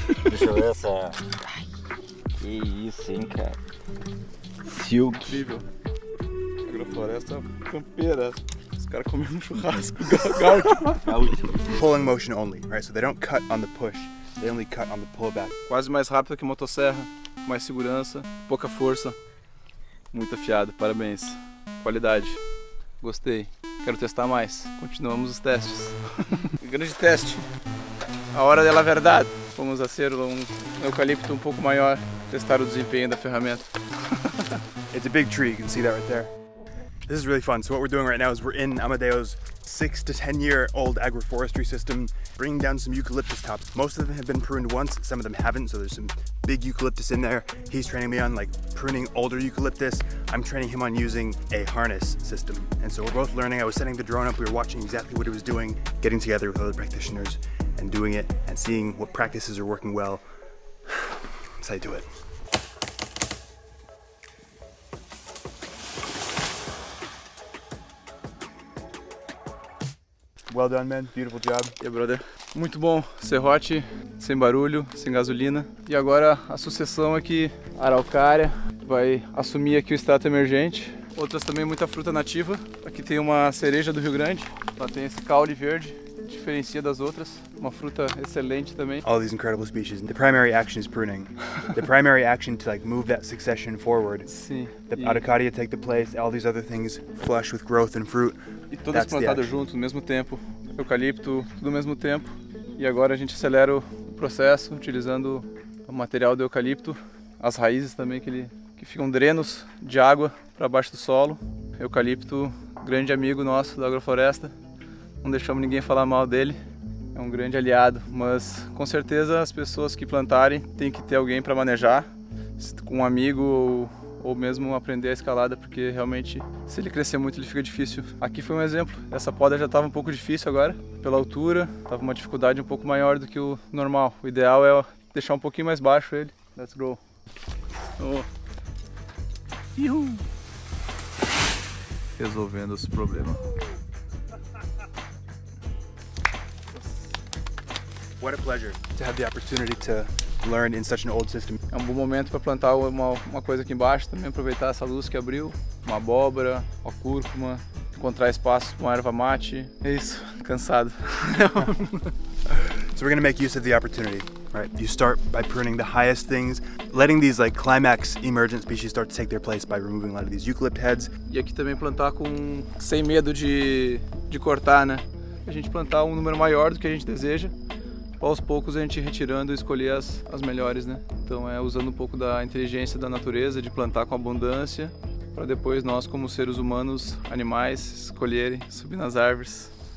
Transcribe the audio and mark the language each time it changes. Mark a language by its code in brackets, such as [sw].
[pt] Deixa eu ver essa. Que isso, hein, cara? Silky. Incrível. Agrofloresta campeira. Os caras comendo churrasco. Gaúcho. [en] Pulling motion only, right? So they don't cut on the push, they only cut on the pullback. [pt] Quase mais rápido que motosserra, mais segurança, pouca força. Muito afiado, parabéns. Qualidade. Gostei. Quero testar mais. Continuamos os testes. Grande teste. A hora dela verdade. Vamos fazer um eucalipto um pouco maior, testar o desempenho da ferramenta. [en] It's a big tree, you can see that right there. This is really fun. So what we're doing right now is we're in Amadeo's 6 to 10 year old agroforestry system, bringing down some eucalyptus tops. Most of them have been pruned once, some of them haven't, so there's some big eucalyptus in there. He's training me on like pruning older eucalyptus. I'm training him on using a harness system. And so we're both learning. I was setting the drone up, we were watching exactly what it was doing, getting together with other practitioners and doing it and seeing what practices are working well. So I do it. Well done, man. Beautiful job. Yeah, brother. [pt] Muito bom. Serrote, sem barulho, sem gasolina. E agora a sucessão aqui, araucária, vai assumir aqui o extrato emergente. Outras também, muita fruta nativa. Aqui tem uma cereja do Rio Grande. Ela tem esse caule verde, diferencia das outras. Uma fruta excelente também. [en] All these incredible species. The primary action is pruning. The primary action to like move that succession forward. [pt] Sim. [en] The araucaria take the place, all these other things flush with growth and fruit. [pt] E todas plantadas juntas, no mesmo tempo, eucalipto, tudo ao mesmo tempo. E agora a gente acelera o processo utilizando o material do eucalipto, as raízes também que ficam drenos de água para baixo do solo. Eucalipto, grande amigo nosso da agrofloresta, não deixamos ninguém falar mal dele, é um grande aliado. Mas com certeza as pessoas que plantarem têm que ter alguém para manejar, com um amigo ou mesmo aprender a escalada, porque realmente, se ele crescer muito, ele fica difícil. Aqui foi um exemplo, essa poda já estava um pouco difícil agora, pela altura, estava uma dificuldade um pouco maior do que o normal. O ideal é deixar um pouquinho mais baixo ele. [en] Let's go. Oh. Uhul. [pt] Resolvendo esse problema. [en] What a pleasure to have the opportunity to learn in such an old system. [pt] É um bom momento para plantar uma coisa aqui embaixo também, aproveitar essa luz que abriu, uma abóbora, uma cúrcuma, encontrar espaço com erva mate. É isso, cansado. [en] So we're going to make use of the opportunity, right? You start by pruning the highest things, letting these like climax emergent species start to take their place by removing a lot of these eucalypt heads. [pt] E aqui também plantar com sem medo de cortar, né? A gente plantar um número maior do que a gente deseja. Aos poucos a gente retirando e escolher as melhores, né? Então é usando um pouco da inteligência da natureza, de plantar com abundância, para depois nós, como seres humanos, animais, escolherem, subir nas árvores.